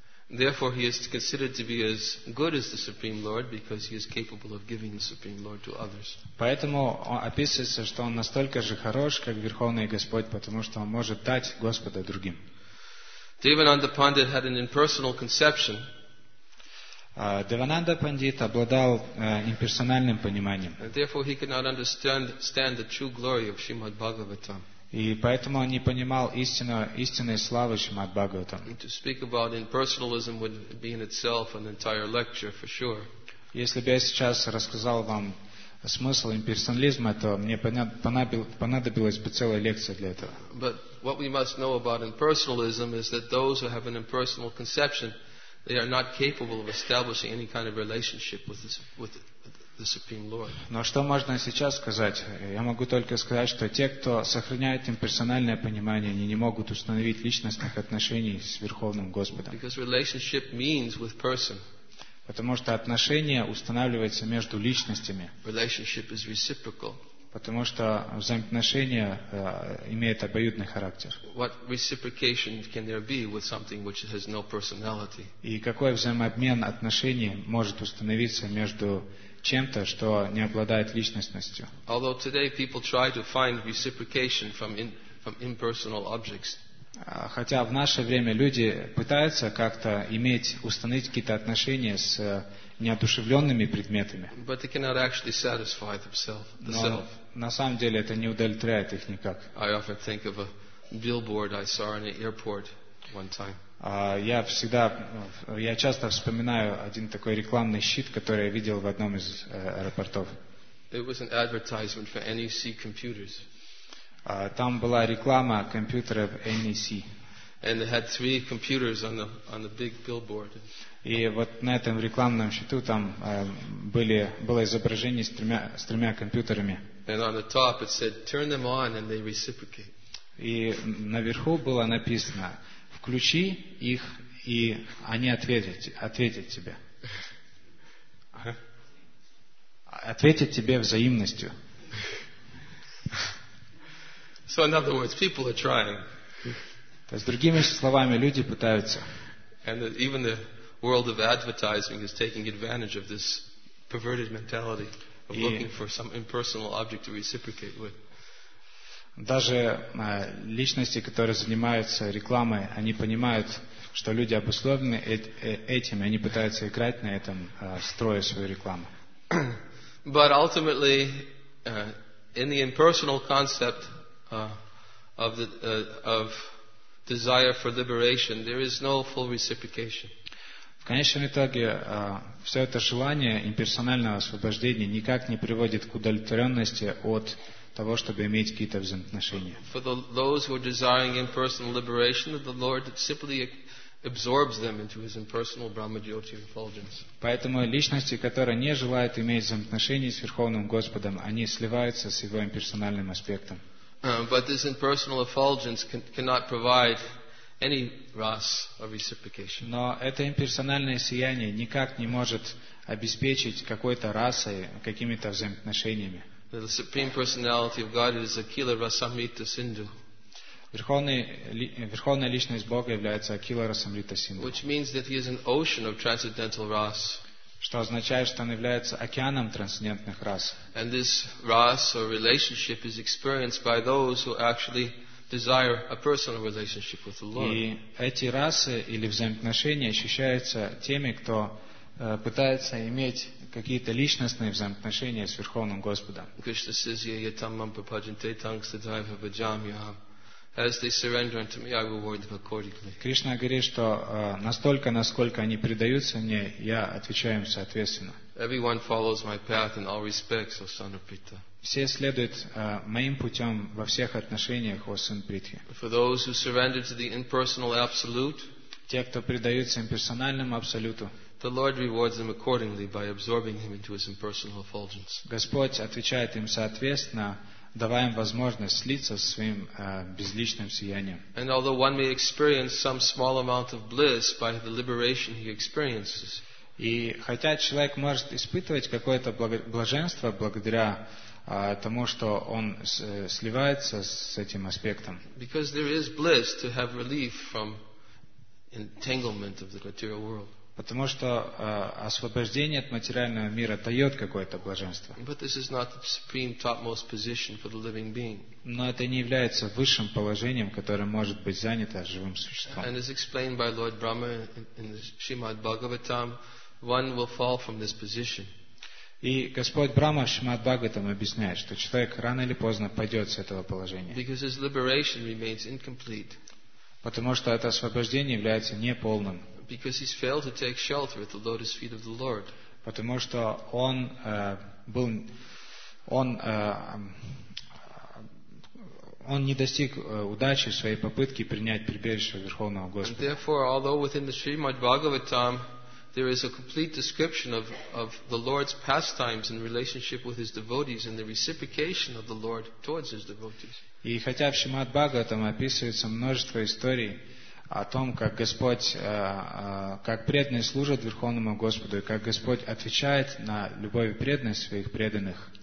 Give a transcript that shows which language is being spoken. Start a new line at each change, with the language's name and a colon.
English: Therefore, he is considered to be as good as the Supreme Lord because he is capable of giving the Supreme Lord to others.
Russian: Поэтому описывается, что он настолько же хорош, как Верховный Господь, потому что он может дать Господа другим.
English: Devananda Pandit had an impersonal conception.
Russian: Девананда Пандит обладал имперсональным пониманием.
English: Therefore, he could not understand the true glory of Srimad Bhagavatam.
Russian: И поэтому он не понимал истинной славы Шримад Бхагаватам.
English: To speak about impersonalism would be in itself an entire lecture, for sure.
Russian: Если бы я сейчас рассказал вам смысл имперсонализма, то мне понадобилась бы целая лекция для этого.
English: But what we must know about impersonalism is that those who have an impersonal conception, they are not capable of establishing any kind of relationship with the Supreme Lord.
Russian: Но что можно сейчас сказать? Я могу только сказать, что те, кто сохраняет имперсональное понимание, они не могут установить личностных отношений с Верховным Господом.
English: Because relationship means with person.
Russian: Потому что отношения устанавливаются между личностями.
English: Relationship is reciprocal.
Russian: Потому что взаимоотношения имеют обоюдный характер.
English: What reciprocation can there be with something which has no personality?
Russian: И какой взаимообмен отношений может установиться между чем-то, что не обладает личностностью?
English: Although today people try to find reciprocation from impersonal objects.
Russian: Хотя в наше время люди пытаются как-то установить какие-то отношения с неодушевленными предметами.
English: But they cannot actually satisfy themselves.
Russian: Но на самом деле это не удовлетворяет их никак.
English: I often think of a billboard I saw in an airport one time.
Russian: Я часто вспоминаю один такой рекламный щит, который я видел в одном из аэропортов.
English: It was an advertisement for NEC computers.
Russian: Там была реклама компьютеров NEC.
English: And they had three computers on the big billboard.
Russian: И вот на этом рекламном щиту там было изображение с тремя компьютерами.
English: And on the top it said, "Turn them on and they reciprocate."
Russian: И наверху было написано: включи их, и они ответят тебе. Ответят тебе взаимностью.
English: So in other words, people are trying.
Russian: То есть, другими словами, люди пытаются.
English: And even the world of advertising is taking advantage of this perverted mentality of looking for some impersonal object to reciprocate with.
Russian: Даже личности, которые занимаются рекламой, они понимают, что люди обусловлены этим, и они пытаются играть на этом, строя свою рекламу.
English: But ultimately, in the impersonal concept of desire for liberation, there is no full reciprocation.
Russian: В конечном итоге, все это желание имперсонального освобождения никак не приводит к удовлетворенности от того, чтобы иметь какие-то взаимоотношения.
English: For those who are desiring impersonal liberation, the Lord simply absorbs them into His impersonal Brahmajyoti refulgence.
Russian: Поэтому личности, которые не желают иметь взаимоотношений с Верховным Господом, они сливаются с Его имперсональным аспектом.
English: But this impersonal effulgence cannot provide any ras of reciprocation.
Russian: Но это имперсональное сияние никак не может обеспечить какой-то расой, какими-то взаимоотношениями.
English: The Supreme Personality of God is Akila Rasamrita Sindhu.
Russian: Верховная личность Бога является Акила Расамрита Синдху.
English: Which means that he is an ocean of transcendental ras.
Russian: Что означает, что он является океаном трансцендентных рас.
English: And this ras or relationship is experienced by those who actually desire a personal relationship with the Lord.
Russian: И эти расы или взаимоотношения ощущаются теми, кто пытается иметь какие-то личностные взаимоотношения с Верховным Господом.
English: Krishna says,
Sanskrit: "Yatam mam prapajante tangstadaiva bhajamyaham."
English: As they surrender unto me, I reward them accordingly.
Russian: Кришна говорит, что настолько, насколько они предаются мне, я отвечаю им соответственно.
English: Everyone follows my path in all respects, O son of Pritha.
Russian: Все следуют моим путем во всех отношениях, о сын Притхи.
English: For those who surrender to the impersonal absolute,
Russian: те, кто предаются имперсональному абсолюту,
English: the Lord rewards them accordingly by absorbing him into his impersonal effulgence.
Russian: Господь отвечает им соответственно, давая им возможность слиться со своим безличным сиянием.
English: And although one may experience some small amount of bliss by the liberation he experiences,
Russian: и хотя человек может испытывать какое-то блаженство благодаря тому, что он сливается с этим аспектом,
English: because there is bliss to have relief from entanglement of the material world.
Russian: Потому что освобождение от материального мира дает какое-то блаженство.
English: But this is not the supreme topmost position for the living being.
Russian: Но это не является высшим положением, которое может быть занято живым существом.
English: And as explained by Lord Brahma in the Shrimad Bhagavatam, one will fall from this position.
Russian: И Господь Брама в Шримад Бхагаватам объясняет, что человек рано или поздно пойдет с этого положения.
English: Because his liberation remains incomplete.
Russian: Потому что это освобождение является неполным.
English: Because he's failed to take shelter at the lotus feet of the Lord.
Russian: Потому что он был, он не достиг удачи в своей попытке принять прибежище Верховного Господа.
English: And therefore, although within the Srimad Bhagavatam there is a complete description of the Lord's pastimes in relationship with his devotees and the reciprocation of the Lord towards his devotees.
Russian: И хотя в Шримад Бхагаватам описывается множество историй о том, как Господь, как преданные служат Верховному Господу, и как Господь отвечает на любовь и преданность своих преданных.